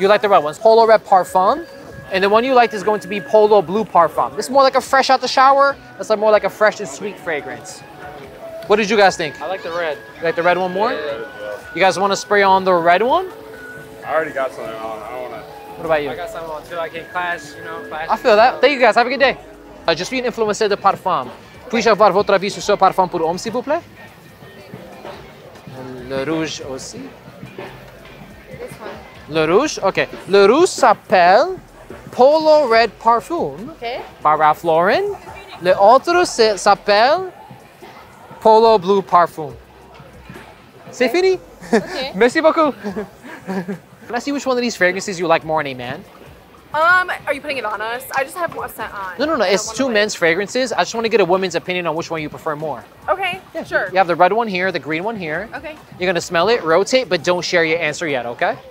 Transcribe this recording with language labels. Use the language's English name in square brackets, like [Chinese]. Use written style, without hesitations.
[English] You like the red one. It's Polo Red Parfum. And the one you liked is going to be Polo Blue Parfum. It's more like a fresh out the shower. It's like more like a fresh and sweet fragrance. What did you guys think? I like the red. You like the red one more? Yeah. You guys want to spray on the red one? I already got something on. I don't want to. What about you? I got something on too. I can clash, you know, clash. I feel that. Thank you guys. Have a good day. [French] Je suis influencé de parfum. Puis-je avoir votre avis sur ce parfum pour homme, s'il vous plaît? Le rouge aussi. [English] This one. [French] Le rouge? Okay. Le rouge s'appelle Polo Red Parfum. [English] Okay. By Ralph Lauren. [French] Le autre s'appelle Polo Blue Parfum. C'est okay. Fini? [English] Okay. [French] Merci beaucoup. [English] Let's see which one of these fragrances you like more than a man. Are you putting it on us? I just have one scent on. No. It's two men's fragrances. I just want to get a woman's opinion on which one you prefer more. Okay, yeah. Sure. You have the red one here, the green one here. Okay. You're going to smell it, rotate, but don't share your answer yet, okay?